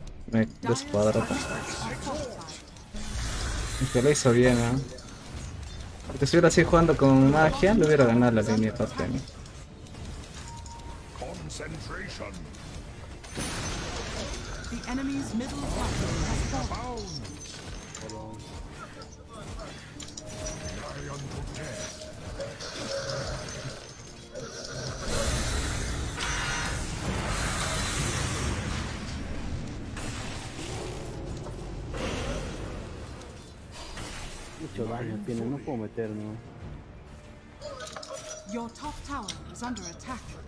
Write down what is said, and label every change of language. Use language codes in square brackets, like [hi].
[es] Me descuadra. Que lo hizo bien, ¿no? Si te estuviera así jugando con magia, le hubiera ganado la línea top 10. [en] Concentration. The enemy's middle has fallen. [es] Mucho daño tiene, no puedo meterme. [en] Your top tower is under attack.